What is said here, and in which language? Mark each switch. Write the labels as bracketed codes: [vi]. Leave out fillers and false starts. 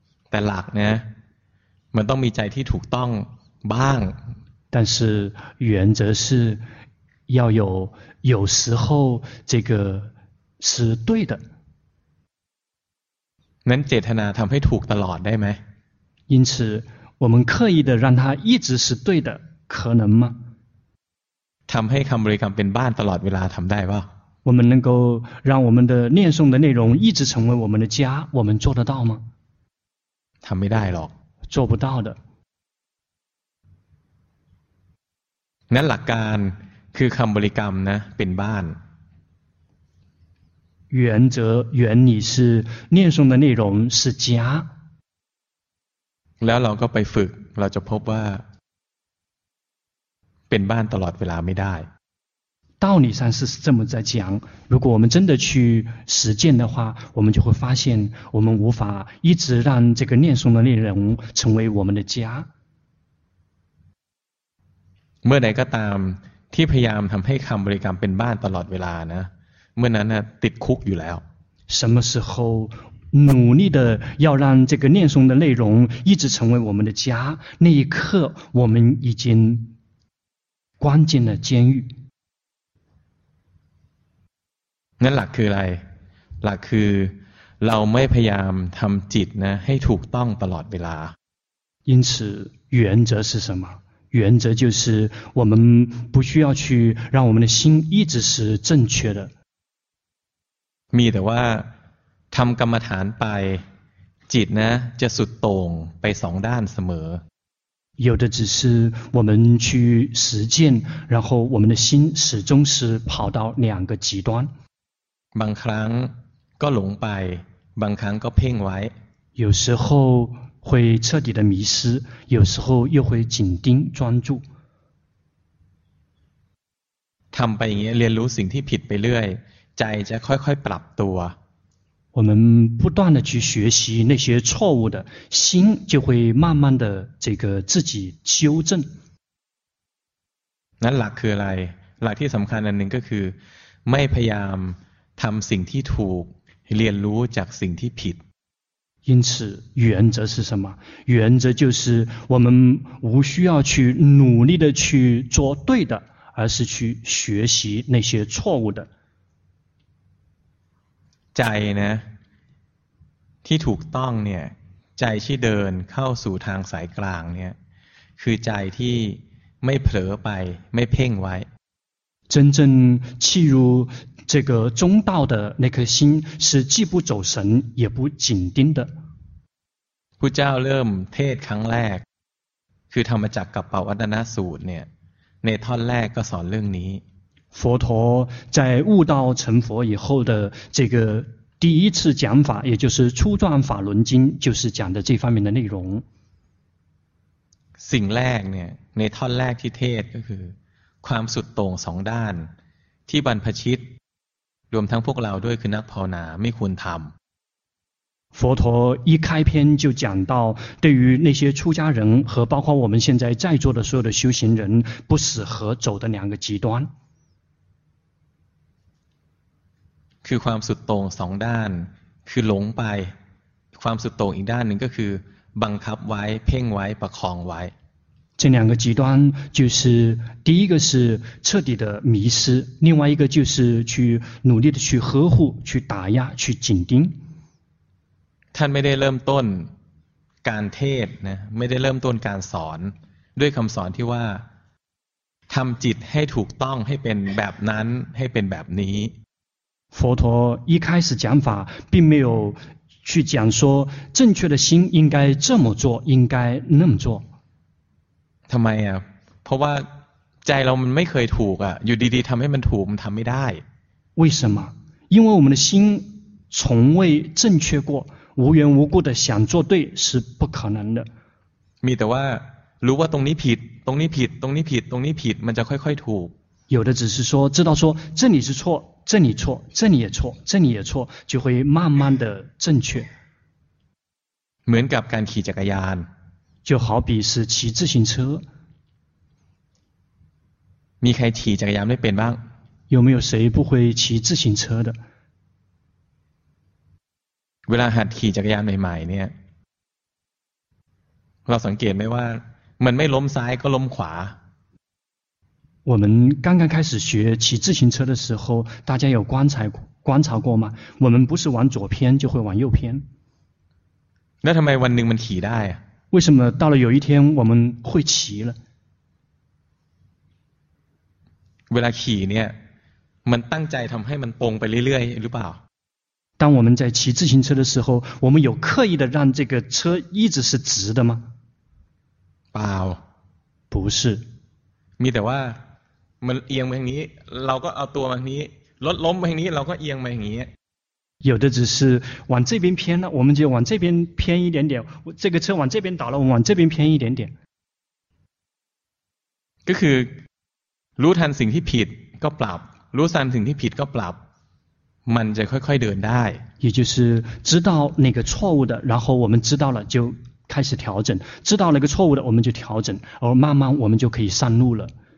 [th] แต่หลักนะมันต้องมีใจที่ถูกต้องบ้าง [zh] 但是原则是要有时候这个是对的 [th] นั้นเจตนาทำให้ถูกตลอดได้ไหม [zh] 因此我们刻意的让它一直是对的可能吗 [th] ทำให้คำบริกรรมเป็นบ้านตลอดเวลาทำได้ป่ะ [zh] 我们能够让我们的念诵的内容一直成为我们的家我们做得到吗 [th] ทำไม่ได้หรอก [zh] 做不到的 [th] นั้นหลักการคือคำบริกรรมนะเป็นบ้าน [zh] 原则原理是念诵的内容是家 [th] แล้วเราก็ไปฝึกเราจะพบว่าเป็นบ้านตลอดเวลาไม่ได้ [zh] 道理上是这么在讲如果我们真的去实践的话我们就会发现我们无法一直让这个念诵的内容成为我们的家 [th] เมื่อใดก็ตามที่พยายามทำให้คำบริกรรมเป็นบ้านตลอดเวลานะเมื่อนั้นนะติดคุกอยู่แล้ว [zh] 什么时候努力的要让这个念诵的内容一直成为我们的家那一刻我们已经关进了监狱 [th] นั่นหลักคืออะไรหลักคือเราไม่พยายามทำจิตนะให้ถูกต้องตลอดเวลา [zh] 因此原则是什么原则就是我们不需要去让我们的心一直是正确的 [th] มีแต่ว่าทำกรรมฐานไปจิตนะจะสุดโต่งไปสองด้านเสมอ [zh] 有的只是我们去实践然后我们的心始终是跑到两个极端 [th] บางครั้งก็หลงไปบางครั้งก็เพ่งไว้ [zh] 有时候会彻底的迷失有时候又会紧盯专注 [th] ทำไปอย่างเงี้ยเรียนรู้สิ่งที่ผิดไปเรื่อยใจจะค่อยๆปรับตัว [zh] 我们不断的去学习那些错误的心就会慢慢的这个自己修正 [th] นั้นหลักคืออะไรหลักที่สำคัญอันหนึ่งก็คือไม่พยายามทำสิ่งที่ถูกเรียนรู้จากสิ่งที่ผิด [zh] 因此原则是什么原则就是我们无需要去努力的去做对的而是去学习那些错误的 [th] ใจนะที่ถูกต้องเนี่ยใจที่เดินเข้าสู่ทางสายกลางเนี่ยคือใจที่ไม่เผลอไปไม่เพ่งไว้ [zh] 真正契入这个中道的那颗心是既不走神也不紧盯的。 [th] พุทธเจ้าเริ่มเทศครั้งแรกคือธรรมจักรกัปปวัตตนสูตรเนี่ยในท่อนแรกก็สอนเรื่องนี้ [zh] 佛陀在悟道成佛以后的这个第一次讲法也就是初转法轮经就是讲的这方面的内容 [th] สิ่งแรกเนี่ยในท่อนแรกที่เทศก็คือความสุดโต่งสองด้านที่บรรพชิตรวมทั้งพวกเราด้วยคือนักภาวนาไม่ควรทำ [zh] 佛陀一开篇就讲到对于那些出家人和包括我们现在在座的所有的修行人不适合走的两个极端 [th] คือความสุดโต่งสองด้านคือหลงไปความสุดโต่งอีกด้านหนึ่งก็คือบังคับไว้เพ่งไว้ประคองไว้ [zh] 这两个极端就是第一个是彻底的迷失另外一个就是去努力的去呵护去打压去紧盯 [th] ท่านไม่ได้เริ่มต้นการเทศนะไม่ได้เริ่มต้นการสอนด้วยคำสอนที่ว่าทำจิตให้ถูกต้องให้เป็นแบบนั้นให้เป็นแบบนี้ [zh] 佛陀一开始讲法并没有去讲说正确的心应该这么做应该那么做 [th] ทำไมอ่ะเพราะว่าใจเรามันไม่เคยถูกอ่ะอยู่ดีๆทำให้มันถูกมันทำไม่ได้ [zh] 为什么因为我们的心从未正确过无缘无故的想做对是不可能的 [th] มีแต่ว่ารู้ว่าตรงนี้ผิดตรงนี้ผิดตรงนี้ผิดตรงนี้ผิดมันจะค่อยๆถูก [zh] 有的只是说知道说这里是错这里错这里也错这里也错就会慢慢的正确 [th] เหมือนกับการขี่จักรยาน [zh] 就好比是骑自行车 [th] มีใครขี่จักรยานไม่เป็นบ้าง [zh] 有没有谁不会骑自行车的 [th] เวลาหัดขี่จักรยานใหม่ๆเนี่ยเราสังเกตไหมว่ามันไม่ล้มซ้ายก็ล้มขวา [zh] 我们刚刚开始学骑自行车的时候大家有观察过吗我们不是往左偏就会往右偏 [th] 那ทำไมวันหนึ่งมันขี่ได้ [zh] 为什么到了有一天我们会骑了 [th] เวลาขี่เนี่ยมันตั้งใจทำให้มันตรงไปเรื่อยๆหรือเปล่า [zh] 当我们在骑自行车的时候我们有刻意的让这个车一直是直的吗 [th] เปล่า [zh] 不是 [th] มีแต่ว่ามันเอียงมาอย่างนี้เราก็เอาตัวมาอย่างนี้รถล้มมาอย่างนี้เราก็เอียงมาอย่างนี้ [zh] 有的只是往这边偏了我们就往这边偏一点点这个车往这边倒了我们往这边偏一点点 [th] ก็คือรู้ทันสิ่งที่ผิดก็ปรับรู้ทันสิ่งที่ผิดก็ปรับมันจะค่อยๆเดินได้ [zh] 也就是知道那个错误的然后我们知道了就开始调整知道了个错误的我们就调整而慢慢我们就可以上路了